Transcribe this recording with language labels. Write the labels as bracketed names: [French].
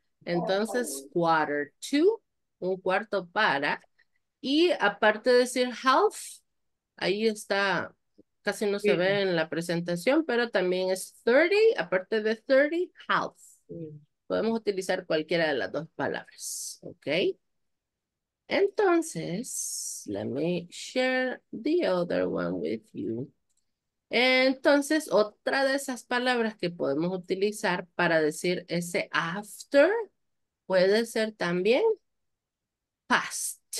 [Spanish] Entonces, quarter to, un cuarto para. Y aparte de decir half, ahí está, casi no se ve en la presentación, pero también es 30, aparte de 30, half. Podemos utilizar cualquiera de las dos palabras, ¿ok? [English] Entonces, let me share the other one with you. [Spanish] Entonces, otra de esas palabras que podemos utilizar para decir ese after puede ser también past.